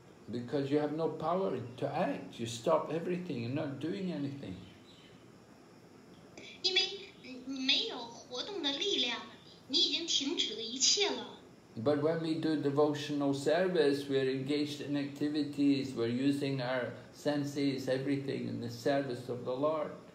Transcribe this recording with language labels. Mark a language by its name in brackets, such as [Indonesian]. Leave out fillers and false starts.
[English] Because you have no power to act, you stop everything, you're not doing anything. [Chinese] 因为没有活动的力量，你已经停止了一切了。 [English] But when we do devotional service, we're engaged in activities, we're using our senses, everything in the service of the Lord.